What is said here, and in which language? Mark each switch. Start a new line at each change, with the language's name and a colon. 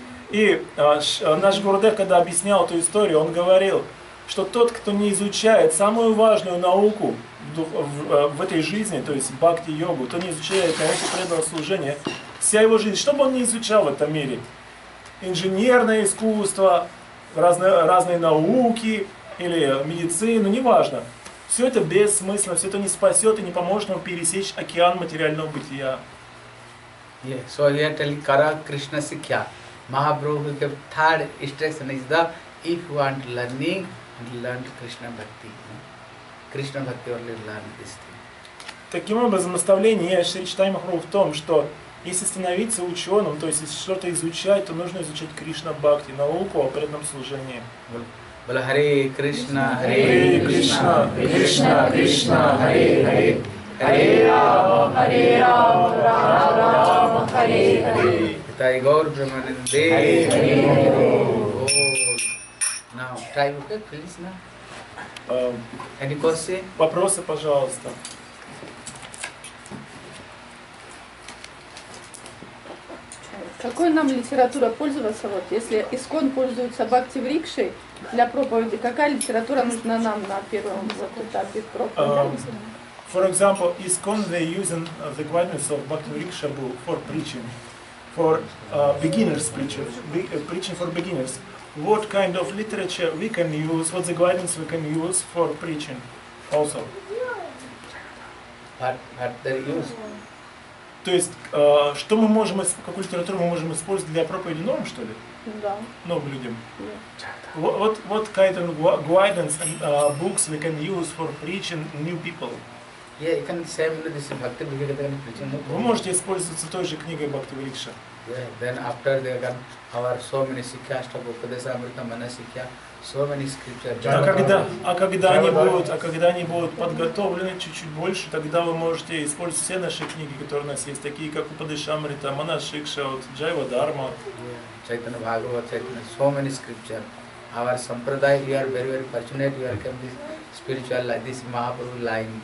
Russian: И наш Гурудев, когда объяснял эту историю, он говорил, что тот, кто не изучает самую важную науку в этой жизни, то есть бхакти-йогу, то не изучает науку преданного служения, вся его жизнь, что бы он ни изучал в этом мире, инженерное искусство, разные науки или медицину, неважно, все это бессмысленно, все это не спасет и не поможет ему пересечь океан материального бытия.
English: So we are telling Kara Krishna Sikya. Mahaprabhu gave third instruction is the if you want learning, learn Krishna Bhakti. Krishna Bhakti only learn this thing.
Russian: Таким образом, наставление Шри Чайтанья Махапрабху в том, что если становиться ученым, то есть если что-то изучать, то нужно изучать Кришна Бхакти, науку о преданном служении. Бала Харе Кришна, Харе Кришна, Кришна Кришна, Харе Харе. Харе Рама, Харе Рама, Рама Рама, Харе Харе. Тай Гор Брахманин Дей. Харе Харе.
English: Now, try to get Krishna. Any question?
Russian: Вопросы, пожалуйста. Какой нам литература пользоваться, вот, если ИСККОН пользуется бхакти-врикшей для проповеди, какая литература нужна нам на первом этапе проповеди?
English: For example, ISKCON, they using the guidance of bhakti-vriksha book for preaching, for beginners preachers, preaching for beginners. What kind of literature we can use, what the guidance we can use for preaching also? But they use.
Russian: То есть, что мы можем, какую литературу мы можем использовать для проповеди новым, что ли? Да. Новым людям. Yeah.
English: What kind of guidance and books we can use for preaching new people? Yeah, you can same with this Bhakti Vrikshita can preach.
Russian: Вы можете использовать той же книгой Бхакти Врикша.
English: Yeah, then after they can our so many sikhyashta book, Padesa Amrita Mana Sikhya, so many scriptures.
Russian: А когда они будут подготовлены чуть-чуть больше, тогда вы можете использовать все наши книги, которые у нас есть, такие как Упадеша Амрита, Мана Шикша, вот, Джайва Дарма. Чайтана Бхагава, Чайтана,
English: so many scriptures. Our sampradaya, we are very, very fortunate, we are come this spiritual, like this Mahaprabhu line.